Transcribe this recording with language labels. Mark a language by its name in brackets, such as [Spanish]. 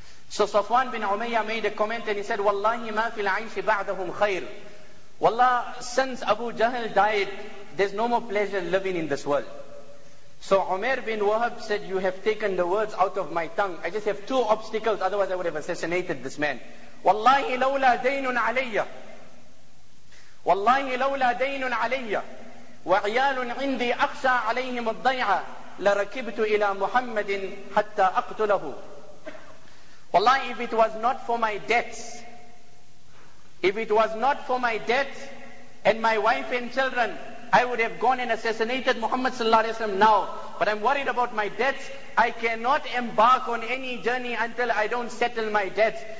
[English] So Safwan bin Umayyah made a comment and he said, [Arabic] Wallahi ma fil aishi ba'dahum khair. [English] Wallah, since Abu Jahl died, there's no more pleasure living in this world. So Umair bin Wahab said, you have taken the words out of my tongue. I just have two obstacles, otherwise I would have assassinated this man. [Arabic] Wallahi lawla daynun alayya. والله لولا دين علي وعيال عندي أخشى عليهم الضيعة لركبت إلى محمد حتى أقتله. [English] والله if it was not for my debts, if it was not for my debts and my wife and children, I would have gone and assassinated Muhammad صلى الله عليه وسلم now. But I'm worried about my debts. I cannot embark on any journey until I don't settle my debts.